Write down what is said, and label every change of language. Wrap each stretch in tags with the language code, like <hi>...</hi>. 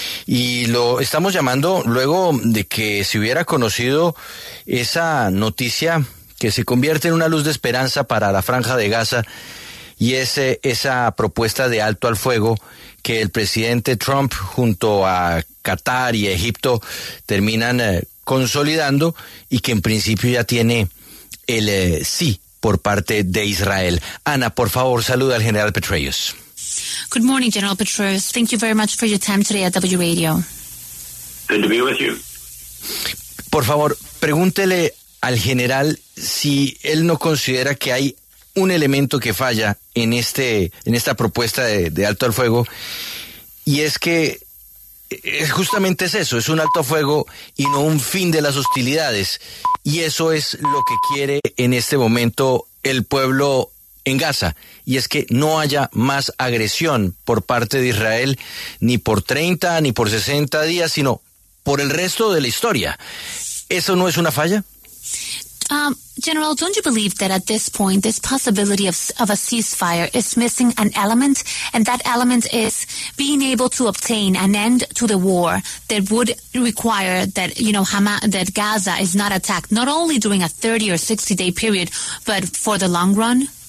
<es>Y lo estamos llamando luego de que se hubiera conocido esa noticia que se convierte en una luz de esperanza para la Franja de Gaza, y es esa propuesta de alto al fuego que el presidente Trump junto a Qatar y Egipto terminan consolidando, y que en principio ya tiene el sí por parte de Israel. Ana, por favor, saluda al general Petraeus.</es> <en>Good morning, General Petraeus. Thank you very much for your time today at W Radio. Good to be with you.</en> <es>Por favor, pregúntele al general si él no considera que hay un elemento que falla en este, en esta propuesta de alto al fuego, y es que es justamente es eso, es un alto al fuego y no un fin de las hostilidades, y eso es lo que quiere en este momento el pueblo en Gaza, y es que no haya más agresión por parte de Israel, ni por 30 ni por 60 días, sino por el resto de la historia. ¿Eso no es una falla?</es> <en>General, don't you believe that at this point this possibility of a ceasefire is missing an element, and that element is being able to obtain an end to the war that would require that, you know, Hamas, that Gaza is not attacked, not only during a 30 or 60 day period, but for the long run?</en>